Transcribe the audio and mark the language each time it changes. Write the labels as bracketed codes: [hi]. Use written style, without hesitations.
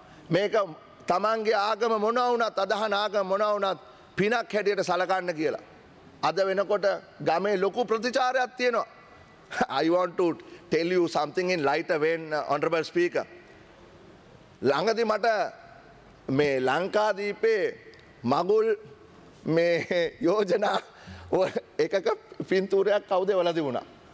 [si] මේක තමන්ගේ ආගම මොනවා වුණත්, අදහන ආගම මොනවා වුණත් පිනක් හැටියට සලකන්න කියලා. අද වෙනකොට ගමේ ලොකු ප්‍රතිචාරයක් තියෙනවා. [en] I want to tell you something in lighter vein, honorable speaker. [si] ළඟදි මට මේ ලංකාදීපේ මගුල් මේ යෝජනා එකක පින්තූරයක් කවුද එවලා තිබුණා.